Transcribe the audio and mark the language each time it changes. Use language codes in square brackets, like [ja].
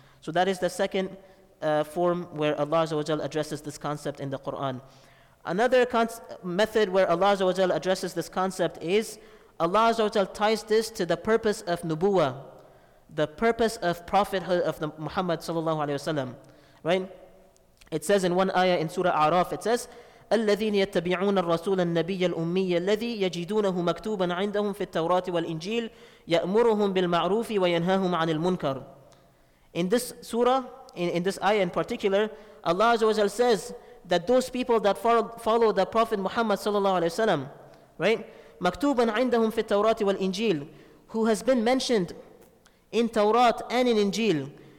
[en] So that is the second form where Allah Azza wa Jal addresses this concept in the Quran. Another method where Allah Azza wa Jal addresses this concept is Allah Azza wa Jal ties this to the purpose of nubuwa, the purpose of prophethood of the Muhammad sallallahu alayhi wa sallam, right? It says in one ayah in Surah A'raf, it says, [ar] الذين يتبعون الرسول النبي الأمي الذي يجدونه مكتوبا عندهم في التوراة والإنجيل يأمرهم بالمعروف وينهاهم عن المنكر. [en] In this surah, in this ayah in particular, Allah Azza wa Jalla says that those people that follow the Prophet Muhammad sallallahu alaihi wasallam, right? [ar] مكتوبا عندهم في التوراة والإنجيل, [en] who has been mentioned in Tawrat and in Injil.